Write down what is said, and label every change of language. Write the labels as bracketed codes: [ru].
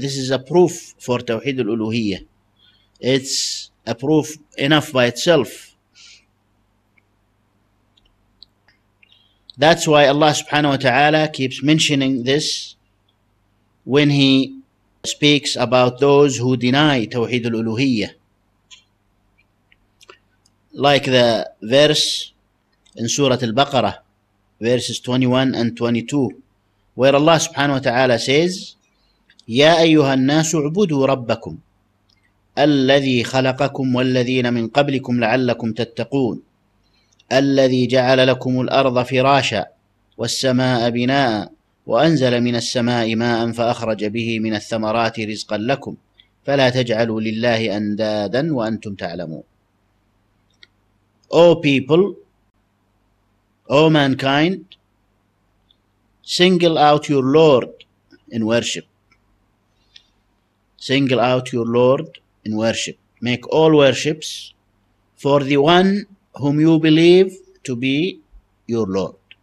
[en] This is a proof for Tawheed al-Uluhiyyah. It's a proof enough by itself. That's why Allah subhanahu wa ta'ala keeps mentioning this when he speaks about those who deny Tawheed al-Uluhiyyah. Like the verse in Surah Al-Baqarah, verses 21 and 22, where Allah subhanahu wa ta'ala says, [ar] يَا أَيُّهَا النَّاسُ عُبُدُوا رَبَّكُمْ الَّذِي خَلَقَكُمْ وَالَّذِينَ مِنْ قَبْلِكُمْ لَعَلَّكُمْ تَتَّقُونَ الذي جعل لكم الأرض فراشا والسماء بناء وأنزل من السماء ماء فأخرج به من الثمرات رزقا لكم فلا تجعلوا لله أندادا وأنتم تعلمون. [en] O people, O mankind, single out your Lord in worship. Single out your Lord in worship. Make all worships for the one whom you believe to be your Lord.